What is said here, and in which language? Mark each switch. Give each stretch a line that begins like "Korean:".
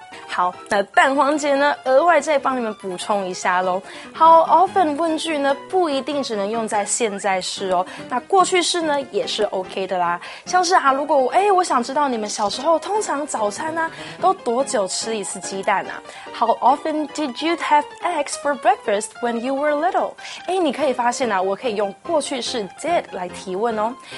Chinese: 好，那蛋黄姐呢，额外再帮你们补充一下咯。
English: How often
Chinese: 问句呢，不一定只能用在现在式哦，那过去式呢也是 OK 的啦。像是啊，如果我想知道你们小时候通常早餐呢、啊、都多久吃一次鸡蛋啊。
English: How often did you have eggs for breakfast when you were little？
Chinese: 你可以发现啊，我可以用过去式 did 来提问哦。